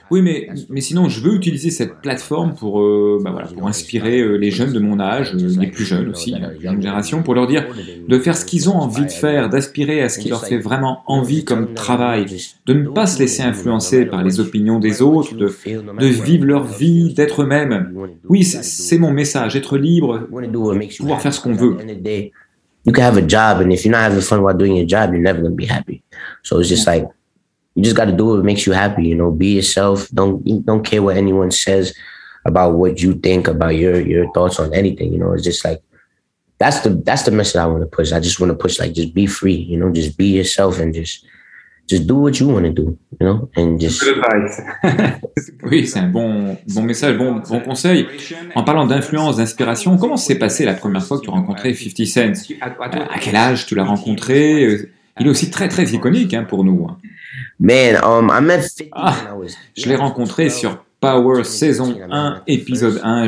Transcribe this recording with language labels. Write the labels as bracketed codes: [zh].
[fr] Oui, mais sinon, je veux utiliser cette plateforme pour inspirer les jeunes de mon âge, les plus jeunes aussi, la jeune génération, pour leur dire de faire ce qu'ils ont envie de faire, d'aspirer à ce qui leur fait vraiment envie comme travail, de ne pas se laisser influencer par les opinions des autres, de vivre leur vie, d'être eux-mêmes. Oui, c'est mon message, être libre, pouvoir faire ce qu'on veut. [en] You can have a job, and if you're not having fun while doing your job, you're never going to be happy. So it's just like. You just got to do what makes you happy, you know, be yourself. Don't care what anyone says about what you think, about your thoughts on anything, you know. It's just like, that's the message I want to push. I just want to push, like, just be free, you know, just be yourself and just do what you want to do, you know, and just. Good advice. [fr] Oui, c'est un bon message, bon conseil. En parlant d'influence, d'inspiration, comment s'est passé la première fois que tu as rencontré 50 Cent? À quel âge tu l'as rencontré? Il est aussi très, très iconique hein, pour nous. [en] Man, I met 50 [fr] ah, je l'ai rencontré sur Power saison 1, épisode 1.